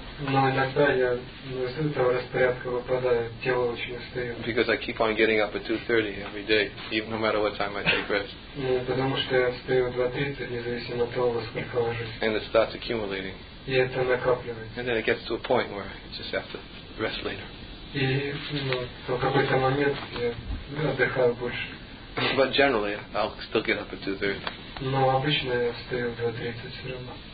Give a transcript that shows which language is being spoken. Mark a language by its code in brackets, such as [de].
[ru] Но иногда я из этого распорядка выпадаю, тело очень устает. [en] Because I keep on getting up at 2:30 every day, even no matter what time I take rest. [ru] Потому что я встаю в 2:30, независимо от того, во сколько ложусь. [en] And it starts accumulating. [ru] И это накапливается. [en] And then it gets to a point where I just have to rest later. [ru] И в какой-то момент я отдыхаю больше. [en] But generally, I'll still get up at 2:30. [ru] Но обычно я встаю в 2:30 все равно.